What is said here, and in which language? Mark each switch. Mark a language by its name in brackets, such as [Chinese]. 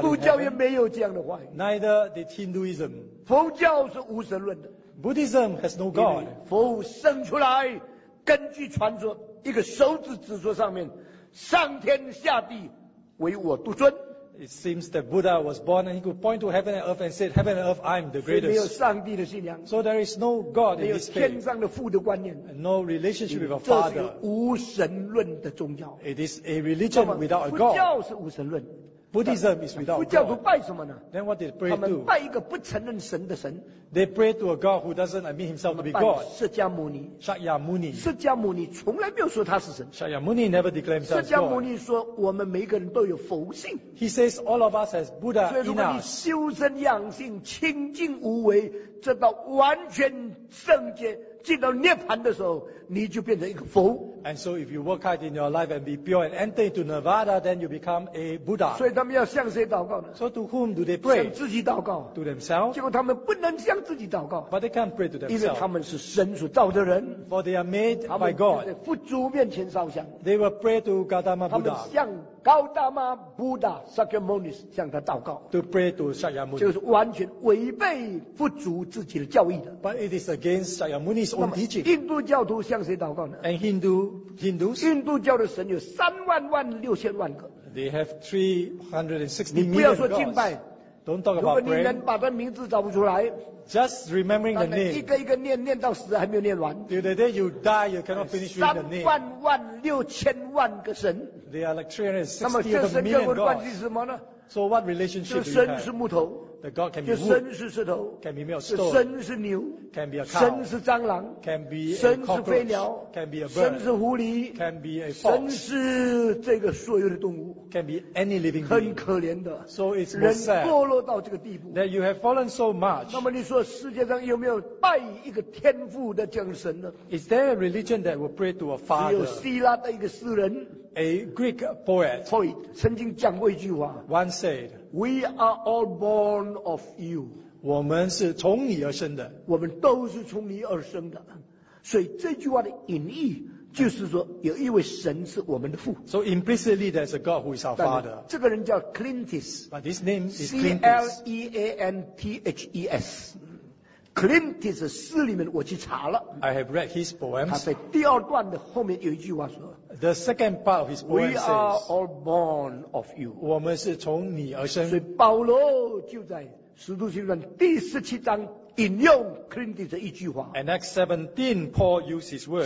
[English] Father in heaven. [Chinese] 印度教也没有这样的话语。 [English] Neither did Hinduism. [Chinese] 佛教是无神论的。 [English] Buddhism has no God. [Chinese] 佛生出来，根据传说，一个手指指出上面，上天下地唯我独尊。 [English] It seems that Buddha was born and he could point to heaven and earth and said, Heaven and earth, I'm the greatest. [Chinese] 没有上帝的信仰。 [English] So there is no God in his faith. [Chinese] 没有天上的父的观念。 [English] No relationship with a father. [Chinese] 这是无神论的宗教。 [English] It is a religion without a God. [Chinese] 佛教是无神论。 [English] Buddhism is without God. [Chinese] 佛教徒拜什么呢？ [English] Then what did they pray to? [Chinese] 他们拜一个不承认神的神。 [English] They pray to a God who doesn't admit himself to be God. [Chinese] 释迦牟尼。 [English] Shakyamuni. [Chinese] 释迦牟尼从来没有说他是神。 [English] Shakyamuni never declared himself God. [Chinese] 释迦牟尼说我们每个人都有佛性。 [English] He says all of us as Buddha in us. [Chinese] 所以如果你修身养性，清净无为，直到完全圣洁。进到涅槃的时候，你就变成一个佛。 [English] And so, if you work hard in your life and be pure and enter into Nirvana, then you become a Buddha. [Chinese] 所以他们要向谁祷告呢 [English] ？So to whom do they pray? [Chinese] 向自己祷告。 [English] To themselves. [Chinese] 结果他们不能向自己祷告。 [English] But they can't pray to themselves. [Chinese] 因为他们是神所造的人。 [English] For they are made by God. [Chinese] 他们在佛祖面前烧香。 [English] They will pray to Gautama Buddha. [Chinese] 他们向高达玛 Buddha Shakyamuni 向他祷告 [English] to pray to Shakyamuni [Chinese] 就是完全违背佛祖自己的教义的 [English] but it is against Shakyamuni's own teaching [Chinese] 印度教徒向谁祷告呢 [English] and Hindus [Chinese] 印度教的神有36,000,000个 [English] they have 360 [Chinese] million 你不要说敬拜 [English] don't talk about praying [Chinese] 如果你能把他名字找不出来 [English] just remembering the name [Chinese] 一个一个念念到死还没有念完 [English] till the day you die you cannot finish reading the name [Chinese] 36,000,000个神 [English] They are like 360 million gods. [Chinese] 那么这神跟我的关系是什么呢 [English] ？So what relationship do you [Chinese] have？ 就神是木头 [English] ，the God can be wood。 [Chinese] 就神是石头 [English] ，can be made of stone。 [Chinese] 就神是牛 [English] ，can be a cow。 [Chinese] 神是蟑螂 [English] ，can be a cockroach。 [Chinese] 神是飞鸟 [English] ，can be a bird。 [Chinese] 神是狐狸 [English] ，can be a fox。 [Chinese] 神是这个所有的动物 [English] ，can be any living being。 [Chinese] 很可怜的 [English] ，so it's most sad。 [Chinese] 人堕落到这个地步 [English] ，that you have fallen so much。 [Chinese] 那么你说世界上有没有拜一个天父的这样神呢 [English] ？Is there a religion that will pray to a father？ [Chinese] 只有希腊的一个诗人。 [English] A Greek poet, [Chinese] poet 曾经讲过一句话 [English] once said, We are all born of you. [Chinese] 我们是从你而生的。我们都是从你而生的。所以这句话的隐喻就是说有一位神是我们的父。 [English] So implicitly there's a God who is our father. [Chinese] 这个人叫 Clintus. [English] But his name is Clintus. C-L-E-A-N-T-H-E-S. [Chinese] Clint's 诗里面我去查了。 [English] I have read his poems. [Chinese] 他在第二段的后面有一句话说。 [English] The second part of his poem says, We are all born of you. [Chinese] 我们是从你而生。所以保罗就在使徒行传第十七章引用 Clint 的一句话。 [English] And Acts 17, Paul used his words.